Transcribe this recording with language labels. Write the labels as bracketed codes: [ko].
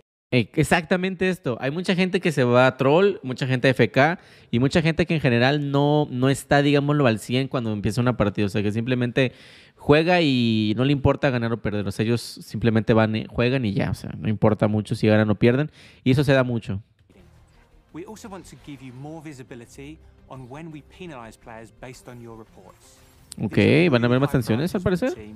[es] Exactamente esto. Hay mucha gente que se va a troll, mucha gente AFK y mucha gente que en general no está, digámoslo, al 100 cuando empieza una partida. O sea, que simplemente juega y no le importa ganar o perder. O sea, ellos simplemente van, juegan y ya. O sea, no importa mucho si ganan o pierden. Y eso se da mucho. [en] We also want to give you more visibility on when we penalize players based on your reports. [es] Okay, van a haber más sanciones al parecer.